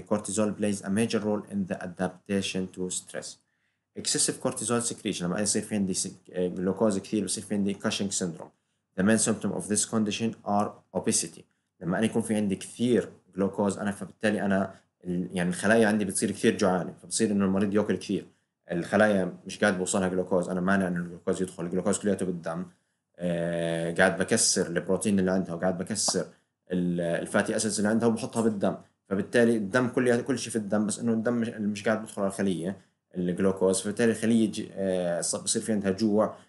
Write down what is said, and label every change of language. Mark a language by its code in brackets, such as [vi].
[en] Cortisol plays a major role in the adaptation to stress. Excessive cortisol secretion, [ar] لما يصير في عندي جلوكوز كثير بصير في عندي كاشينج سيندروم. [en] The main symptom of this condition are obesity. [ar] لما أنا يكون في عندي كثير جلوكوز أنا، فبالتالي أنا يعني الخلايا عندي بتصير كثير جوعانة، فبصير إنه المريض يأكل كثير. الخلايا مش قاعد بوصلها جلوكوز، أنا مانع إنه الجلوكوز يدخل، الجلوكوز كلياته بالدم، قاعد بكسر البروتين اللي عندها، وقاعد بكسر الفاتي أسيدز اللي عندها وبحطها بالدم، فبالتالي الدم كل شيء في الدم، بس إنه الدم مش قاعد بدخل على الخلية الجلوكوز، فبالتالي الخلية بصير في عندها جوع.